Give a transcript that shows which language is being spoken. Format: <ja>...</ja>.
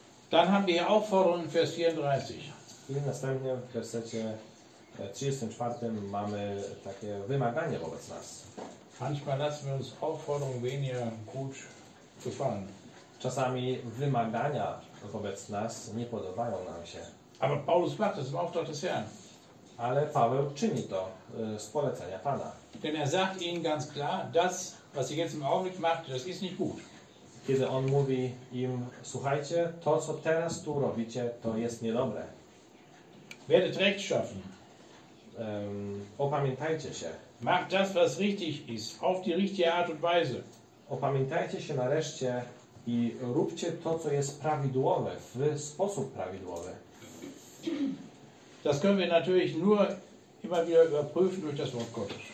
<de>Dann haben wir Aufforderung in Vers 34.</de> <pl>I następnie w wersecie 34 mamy takie wymaganie wobec nas.</pl> <de>Manchmal lassen wir uns Aufforderungen weniger gut gefallen.</de> <pl>Czasami wymagania wobec nas nie podobają nam się.</pl> <de>Aber Paulus macht es im Auftrag des Herrn.</de> <pl>Ale Paweł czyni to z polecenia Pana.</pl> <de>Denn er sagt ihnen ganz klar, das, was ich jetzt im Augenblick mache, das ist nicht gut.</de> <pl>Kiedy on mówi im, słuchajcie, to co teraz tu robicie, to jest niedobre.</pl> <de>Werdet rechtschaffen.</de> <pl>Opamiętajcie się.</pl> <de>Mach das, was richtig ist, auf die richtige Art und Weise.</de> <pl>Opamiętajcie się nareszcie I róbcie to, co jest prawidłowe, w sposób prawidłowy.</pl> <de>Das können wir natürlich nur immer wieder überprüfen durch das Wort Gottes.</de>